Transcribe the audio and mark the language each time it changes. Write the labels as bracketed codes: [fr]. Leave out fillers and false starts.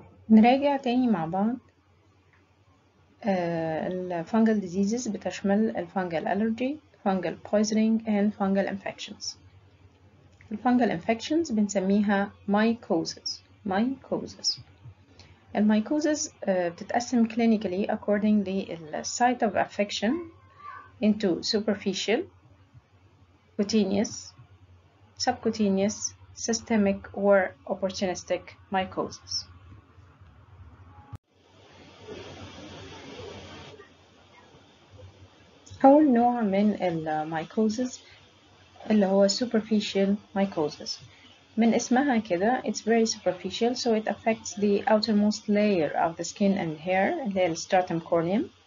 [ar] نراجع تاني مع بعض الفنجل diseases بتشمل الفنجل allergy، فنجل [en] poisoning and fungal infections. [ar] الفنجل infections بنسميها mycoses. [en] Mycoses. And mycoses [ar] بتتقسم [en] clinically according to the site of affection into superficial, cutaneous, subcutaneous, systemic, or opportunistic mycoses. [ar] أول نوع من mycoses اللي هو superficial mycoses. من اسمها كده [en] it's very superficial so it affects the outermost layer of the skin and hair [ar] اللي هي الستراتم كورنيوم.